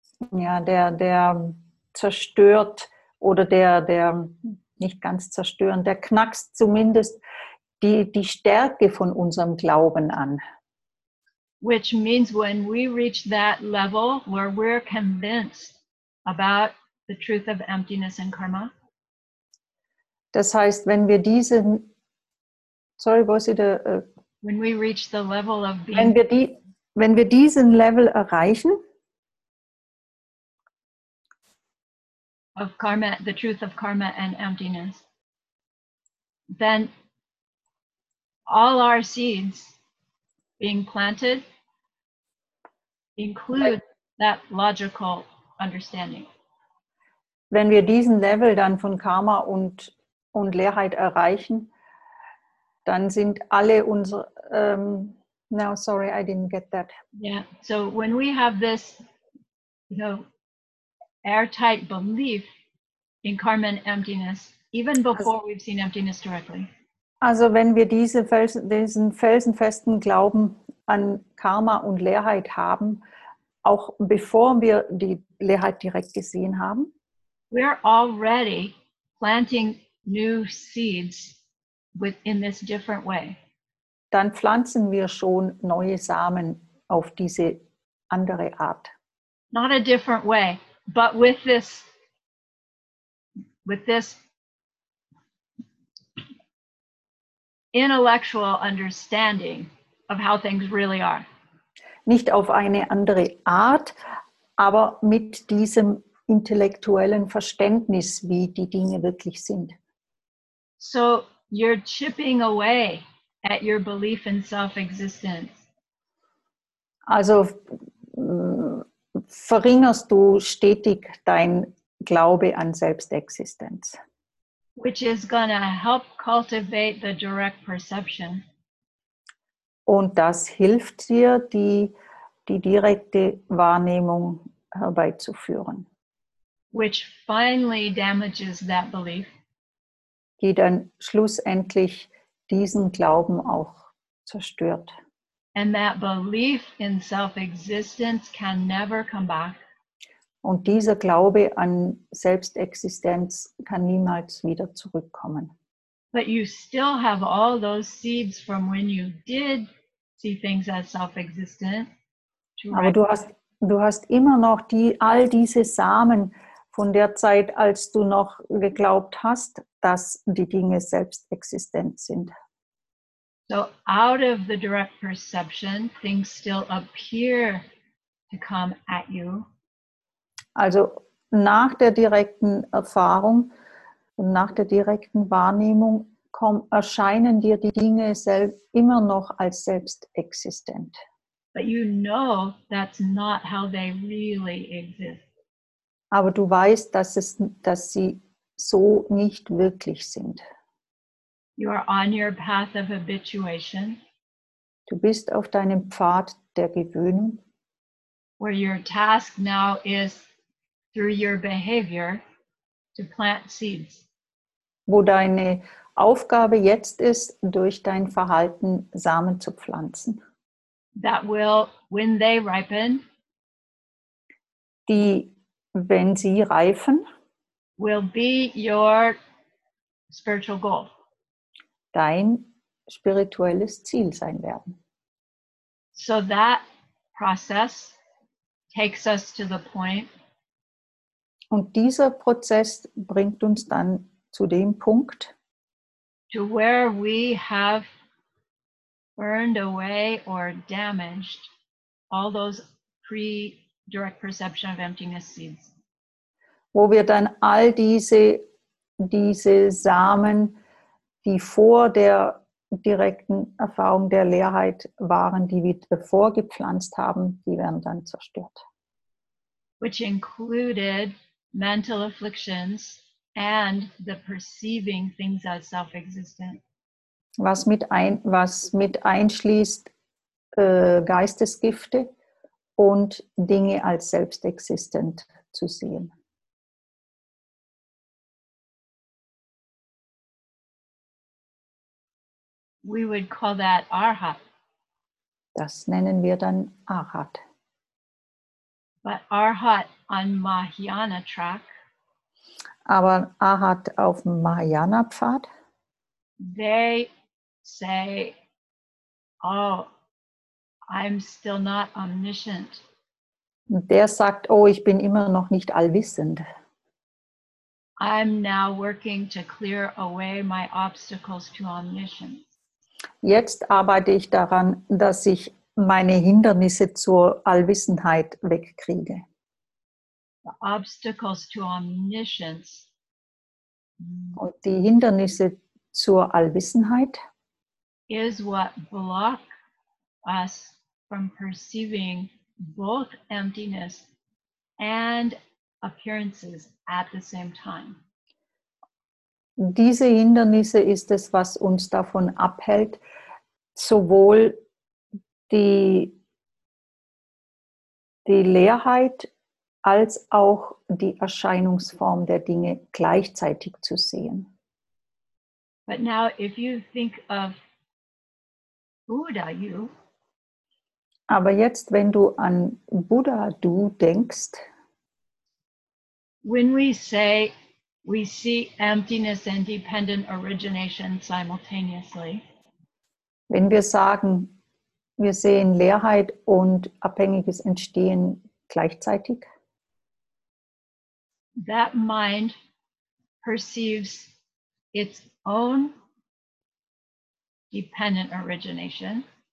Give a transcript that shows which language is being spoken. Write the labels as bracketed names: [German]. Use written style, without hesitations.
[German] Der zerstört oder der nicht ganz zerstören, der knackst zumindest die Stärke von unserem Glauben an. [English] Which means when we reach that level where we're convinced about the truth of emptiness and karma. [German] Das heißt, wenn wir diesen, sorry, was ist der, [English] When we reach the level of [German] being, wenn wir diesen Level erreichen, [English] of karma, the truth of karma and emptiness, then all our seeds being planted include that logical understanding. [German] Wenn wir diesen Level dann von Karma und Leerheit erreichen, dann sind alle unsere [English] now sorry, I didn't get that. Yeah, so when we have this, you know, airtight belief in karma and emptiness, even before we've seen emptiness directly. [German] Also wenn wir diesen felsenfesten Glauben an Karma und Leerheit haben, auch bevor wir die Leerheit direkt gesehen haben, [English] we are already planting new seeds in this different way. [German] Dann pflanzen wir schon neue Samen auf diese andere Art. [English] Not a different way, but with this intellectual understanding of how things really are. [German] Nicht auf eine andere Art, aber mit diesem intellektuellen Verständnis, wie die Dinge wirklich sind. [English] So you're chipping away at your belief in self-existence. [German] Also verringerst du stetig dein Glaube an Selbstexistenz. [English] Which is going to help cultivate the direct perception. [German] Und das hilft dir, die direkte Wahrnehmung herbeizuführen. [English] Which finally damages that belief. [German] Die dann schlussendlich diesen Glauben auch zerstört. [English] And that belief in self-existence can never come back. [German] Und dieser Glaube an Selbstexistenz kann niemals wieder zurückkommen. [English] But you still have all those seeds from when you did see things as self-existent. [German] Aber du hast immer noch all diese Samen von der Zeit, als du noch geglaubt hast, dass die Dinge selbstexistent sind. [English] So out of the direct perception, things still appear to come at you. [German] Also nach der direkten Erfahrung und nach der direkten Wahrnehmung erscheinen dir die Dinge immer noch als selbstexistent. [English] But you know that's not how they really exist. [German] Aber du weißt, dass sie so nicht wirklich sind. [English] You are on your path of habituation. [German] Du bist auf deinem Pfad der Gewöhnung. [English] Where your task now is through your behavior to plant seeds. [German] Wo deine Aufgabe jetzt ist, durch dein Verhalten Samen zu pflanzen. [English] That will, when they ripen, [German] die, wenn sie reifen, [English] will be your spiritual goal. [German] Dein spirituelles Ziel sein werden. [English] So that process takes us to the point. [German] Und dieser Prozess bringt uns dann zu dem Punkt, [English] to where we have burned away or damaged all those pre-direct perception of emptiness seeds. [German] Wo wir dann all diese Samen, die vor der direkten Erfahrung der Leerheit waren, die wir davor gepflanzt haben, die werden dann zerstört. [English] Which included mental afflictions and the perceiving things as self-existent. [German] Was mit einschließt Geistesgifte und Dinge als selbstexistent zu sehen. [English] We would call that Arhat. [German] Das nennen wir dann Arhat. [English] But Arhat on Mahayana track. [German] Aber Arhat auf Mahayana Pfad. [English] They say, oh, I'm still not omniscient. [German] Der sagt, oh, ich bin immer noch nicht allwissend. [English] I'm now working to clear away my obstacles to omniscience. [German] Jetzt arbeite ich daran, dass ich meine Hindernisse zur Allwissenheit wegkriege. [English] The obstacles to omniscience. [German] Und die Hindernisse zur Allwissenheit [English] is what block us from perceiving both emptiness and appearances at the same time. [German] Diese Hindernisse ist es, was uns davon abhält, sowohl die Leerheit als auch die Erscheinungsform der Dinge gleichzeitig zu sehen. [English] But now if you think of Buddha, you. [German] Aber jetzt, wenn du an Buddha, du denkst, [English] when we say we see emptiness and dependent origination simultaneously. [German] Wenn wir sagen, wir sehen Leerheit und abhängiges Entstehen gleichzeitig. [English] That mind perceives its own dependent origination.